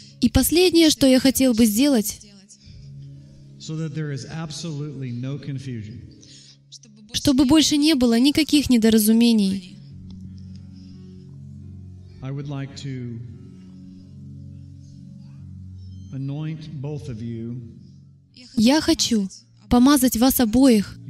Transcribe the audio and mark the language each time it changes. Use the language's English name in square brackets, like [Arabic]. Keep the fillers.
[Russian] И последнее, что я хотел бы сделать, [English] so no [Russian] чтобы больше не было никаких недоразумений, [English] I would like to anoint both of you [Russian] я хочу помазать вас обоих